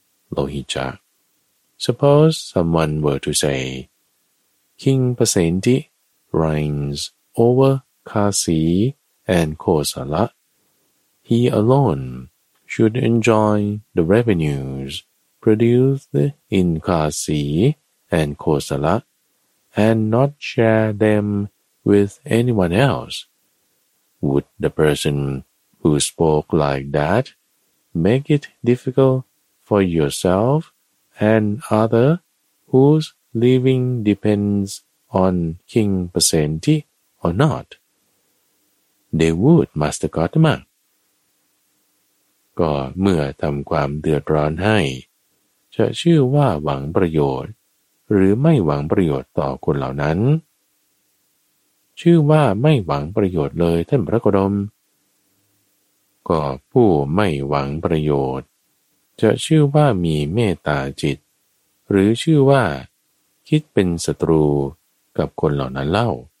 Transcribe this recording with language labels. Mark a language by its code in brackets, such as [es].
[en] โลหิตจะ suppose someone were to say King Pasenti reigns over Kasi and Kosala he alone should enjoy the revenues produced in Kasi and Kosala and not share them with anyone else. Would the person who spoke like that make it difficult for yourself and other whose living depends on King Pasenti or not? They would, Master Gautama. [th] ก็เมื่อทำความเดือดร้อนให้จะชื่อว่าหวังประโยชน์หรือไม่หวังประโยชน์ต่อคนเหล่านั้นชื่อว่าไม่หวังประโยชน์เลยท่านพระโคดม ก็ผู้ไม่หวังประโยชน์จะชื่อว่ามีเมตตาจิตหรือชื่อว่าคิดเป็นศัตรูกับคนเหล่านั้นเล่า